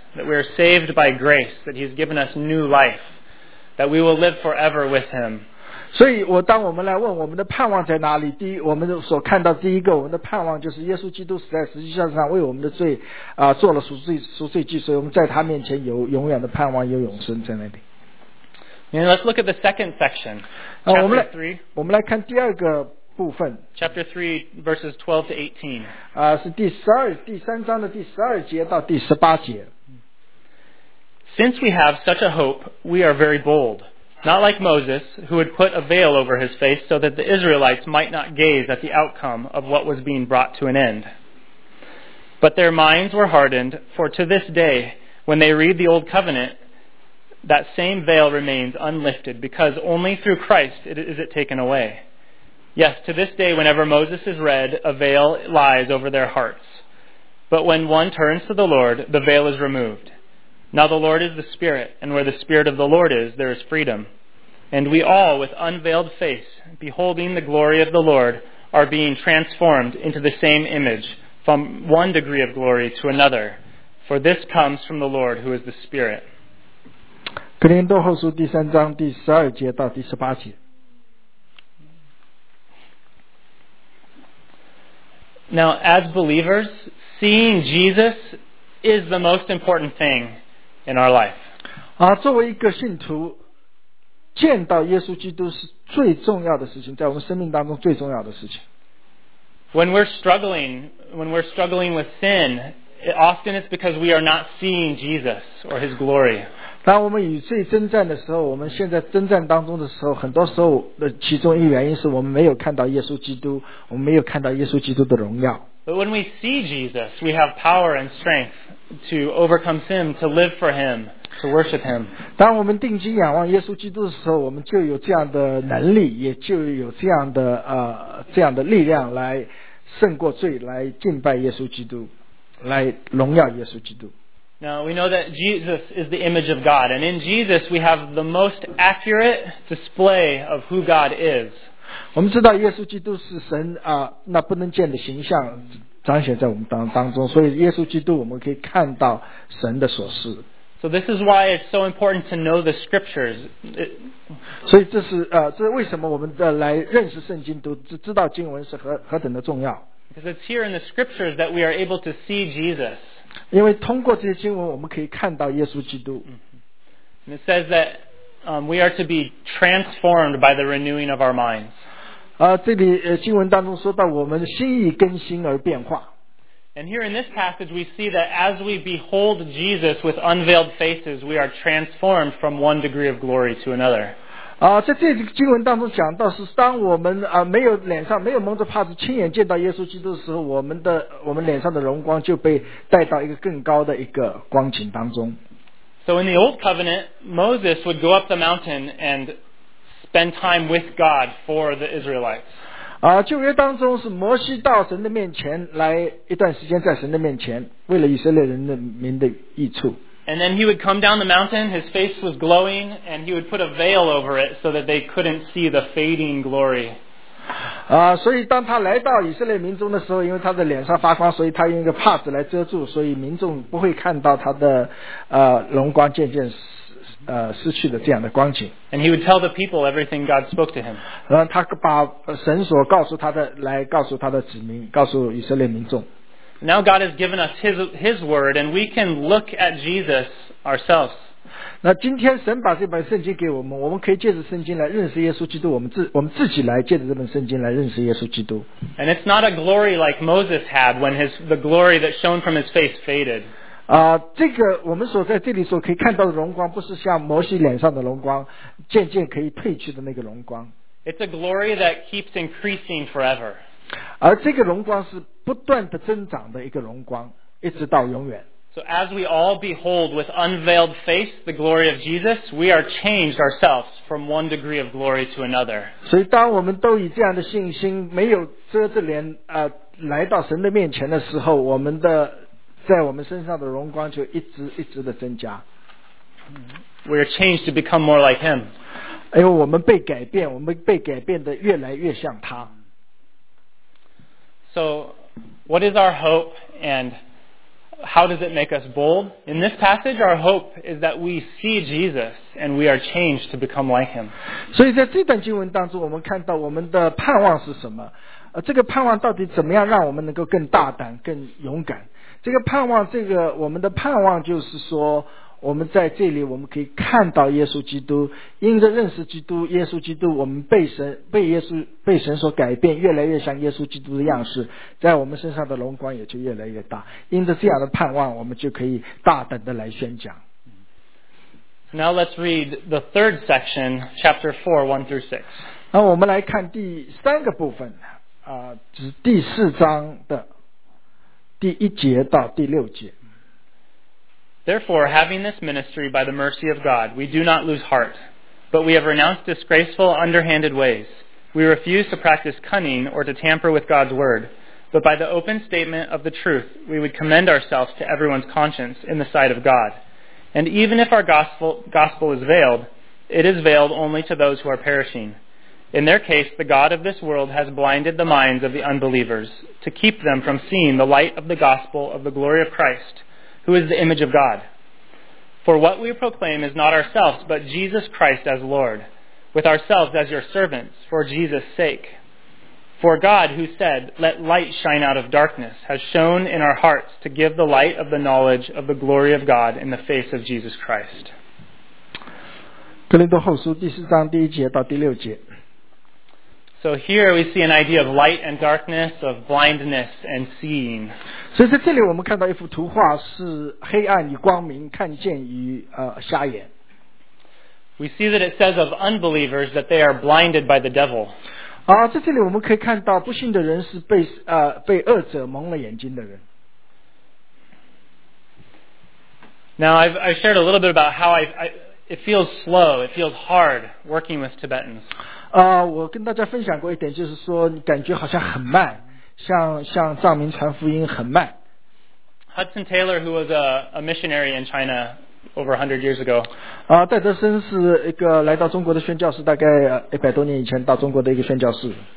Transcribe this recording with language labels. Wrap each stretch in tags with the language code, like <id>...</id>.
<en>That we are saved by grace, that He's given us new life, that we will live forever with Him.</en> <zh>所以我当我们来问我们的盼望在哪里，第一，我们所看到第一个我们的盼望就是耶稣基督死在十字架上为我们的罪做了赎罪祭，所以我们在他面前有永远的盼望，有永生在那里。</zh> <en>And let's look at the second section, chapter 3.</en> <zh>我们来看第二个部分。</zh> <en>Chapter 3, verses 12 to 18.</en> <zh>是第三章的第十二节到第十八节。</zh> <en>Since we have such a hope, we are very bold. Not like Moses, who had put a veil over his face so that the Israelites might not gaze at the outcome of what was being brought to an end. But their minds were hardened, for to this day, when they read the Old Covenant, that same veil remains unlifted, because only through Christ is it taken away. Yes, to this day, whenever Moses is read, a veil lies over their hearts. But when one turns to the Lord, the veil is removed. Now the Lord is the Spirit, and where the Spirit of the Lord is, there is freedom. And we all, with unveiled face, beholding the glory of the Lord, are being transformed into the same image, from one degree of glory to another. For this comes from the Lord, who is the Spirit.</en> <zh>格林多后书第三章第十二节到第十八节。</zh> <en>Now, as believers, seeing Jesus is the most important thing. In our life.</en> <zh>作为一个信徒，见到耶稣基督是最重要的事情，在我们生命当中最重要的事情。</zh> <en>When we're struggling with sin, often it's because we are not seeing Jesus or His glory.</en> <zh>当我们与罪征战的时候，我们现在征战当中的时候，很多时候的其中一原因是我们没有看到耶稣基督，我们没有看到耶稣基督的荣耀。</zh> <en>But when we see Jesus, we have power and strength. To overcome sin, to live for Him, to worship Him.</en> <zh>当我们定睛仰望耶稣基督的时候，我们就有这样的能力，也就有这样的力量来胜过罪，来敬拜耶稣基督，来荣耀耶稣基督。</zh> <en>Now we know that Jesus is the image of God, and in Jesus we have the most accurate display of who God is.</en> <zh>我们知道耶稣基督是神那不能见的形象。彰显在我们当中，所以耶稣基督我们可以看到神的所事。</zh> <en>So this is why it's so important to know the scriptures.</en> <zh>所以这是为什么我们来认识圣经，读知道经文是何等的重要。</zh> <en>Because it's here in the scriptures that we are able to see Jesus.</en> <zh>因为通过这些经文，我们可以看到耶稣基督。</zh> <en>And it says that we are to be transformed by the renewing of our minds.</en> <zh>这里经文当中说到我们心意更新而变化。</zh> <en>And here in this passage we see that as we behold Jesus with unveiled faces, we are transformed from one degree of glory to another.</en> <zh>在这个经文当中讲到是当我们没有脸上没有蒙着帕子亲眼见到耶稣基督的时候，我们脸上的荣光就被带到一个更高的一个光景当中。</zh> <en>So in the old covenant, Moses would go up the mountain and spend time with God for the Israelites.</en> <zh>旧约当中是摩西到神的面前来一段时间，在神的面前为了以色列人的民的益处。</zh> <en>And then he would come down the mountain, his face was glowing, and he would put a veil over it so that they couldn't see the fading glory.</en> <zh>所以当他来到以色列民中的时候，因为他的脸上发光，所以他用一个帕子来遮住，所以民众不会看到他的荣光渐渐失。失去的这样的光景。</zh> <en>And he would tell the people everything God spoke to him.</en> <zh>他把神所告诉他的来告诉他的子民，告诉以色列民众。</zh> <en>Now God has given us his word, and we can look at Jesus ourselves.</en> <zh>那今天神把这本圣经给我们，我们可以借着圣经来认识耶稣基督，我们自己来借着这本圣经来认识耶稣基督。</zh> <en>And it's not a glory like Moses had when the glory that shone from his face faded.</en> <zh>这个我们所在这里所可以看到的荣光，不是像摩西脸上的荣光，渐渐可以褪去的那个荣光。</zh> <en>It's a glory that keeps increasing forever.</en> <zh>而这个荣光是不断的增长的一个荣光，一直到永远。</zh> <en>So as we all behold with unveiled face the glory of Jesus, we are changed ourselves from one degree of glory to another.</en> <zh>所以当我们都以这样的信心，没有遮着脸，来到神的面前的时候，我们的在我们身上的荣光就一直一直的增加。</zh> <en>We are changed to become more like Him.</en> <zh>因为我们被改变，我们被改变的越来越像他。</zh> <en>So, what is our hope and how does it make us bold? In this passage, our hope is that we see Jesus and we are changed to become like Him.</en> <zh>所以在这段经文当中，我们看到我们的盼望是什么？这个盼望到底怎么样让我们能够更大胆、更勇敢？这个盼望，这个我们的盼望就是说，我们在这里我们可以看到耶稣基督，因着认识基督，耶稣基督，我们被神所改变，越来越像耶稣基督的样式，在我们身上的荣光也就越来越大。因着这样的盼望，我们就可以大胆的来宣讲。</zh> <en>Now let's read the third section, chapter 4:1-6.</en> <zh>那我们来看第三个部分，指第四章的第一节到第六节。</zh> <en>Therefore, having this ministry by the mercy of God, we do not lose heart. But we have renounced disgraceful, underhanded ways. We refuse to practice cunning or to tamper with God's word. But by the open statement of the truth, we would commend ourselves to everyone's conscience in the sight of God. And even if our gospel is veiled, it is veiled only to those who are perishing. In their case, the God of this world has blinded the minds of the unbelievers to keep them from seeing the light of the gospel of the glory of Christ. Who is the image of God? For what we proclaim is not ourselves, but Jesus Christ as Lord, with ourselves as your servants, for Jesus' sake. For God, who said, Let light shine out of darkness, has shone in our hearts to give the light of the knowledge of the glory of God in the face of Jesus Christ.</en> <zh>哥林多后书第四章第一节到第六节。</zh> <en>So here we see an idea of light and darkness, of blindness and seeing.</en> <zh>所以在这里我们看到一幅图画是黑暗与光明，看见与瞎眼。</zh> <en>We see that it says of unbelievers that they are blinded by the devil.</en> <zh>在这里我们可以看到不信的人是被恶者蒙了眼睛的人。</zh> <en>Now I shared a little bit about how it feels slow, it feels hard working with Tibetans.</en> <zh>我跟大家分享过一点，就是说你感觉好像很慢，像藏民传福音很慢。</zh> <en>Hudson Taylor, who was a missionary in China over 100 years ago.</en> <zh>戴德森是一个来到中国的宣教士，大概100多年以前到中国的一个宣教士。</zh>